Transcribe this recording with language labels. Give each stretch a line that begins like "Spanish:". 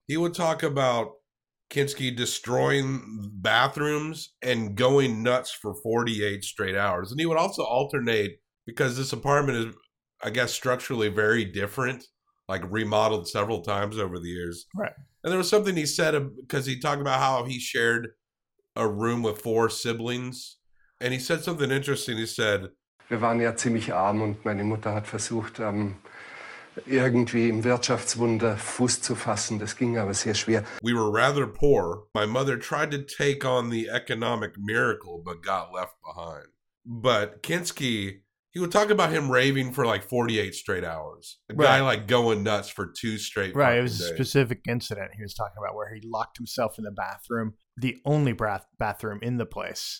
English: He would talk about Kinski destroying bathrooms and going nuts for 48 straight hours. And he would also alternate, because this apartment is, I guess, structurally very different, like remodeled several times over the years. Right. And there was something he said, because he talked about how he shared a room with 4 siblings. And he said something interesting. He said,
German: wir waren ja ziemlich arm und meine Mutter hat versucht, irgendwie im Wirtschaftswunder Fuß zu fassen. Das ging aber sehr schwer.
English: We were rather poor. My mother tried to take on the economic miracle, but got left behind. But Kinski, he would talk about him raving for like 48 straight hours. A guy like going nuts for 2 straight hours. Right, it was a specific incident he was talking about where he locked himself in the bathroom, the only bathroom in the place.